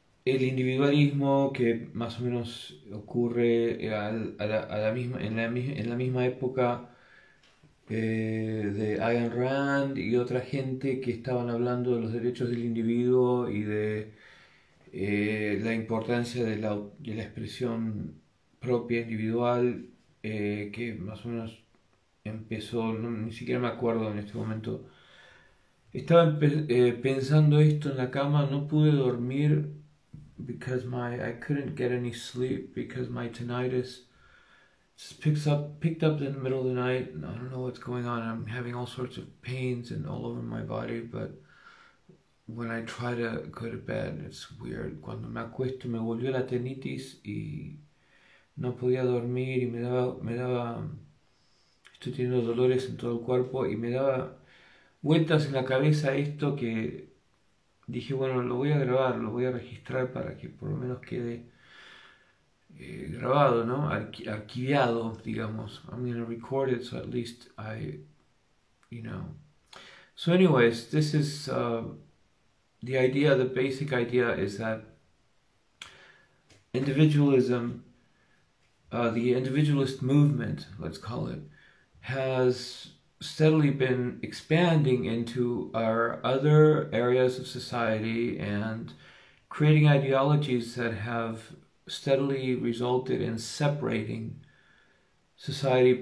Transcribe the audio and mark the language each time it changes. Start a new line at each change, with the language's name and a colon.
Spanish: El individualismo que más o menos ocurre en la misma época de Ayn Rand y otra gente que estaban hablando de los derechos del individuo y de la importancia de la expresión propia individual, que más o menos empezó, no, ni siquiera me acuerdo en este momento. Estaba pensando esto en la cama, no pude dormir
English: because I couldn't get any sleep because my tinnitus just picked up in the middle of the night, and I don't know what's going on. I'm having all sorts of pains and all over my body, but when I try to go to bed, it's weird.
Spanish: Cuando me acuesto me volvió la tinnitus y no podía dormir y me daba estoy teniendo dolores en todo el cuerpo y me daba vueltas en la cabeza esto que dije, bueno, lo voy a grabar, lo voy a registrar para que por lo menos quede grabado, ¿no? Arquiviado, digamos.
English: I'm going to record it so at least I, you know. So anyways, this is the idea, the basic idea is that individualism, the individualist movement, let's call it, has steadily been expanding into our other areas of society and creating ideologies that have steadily resulted in separating society.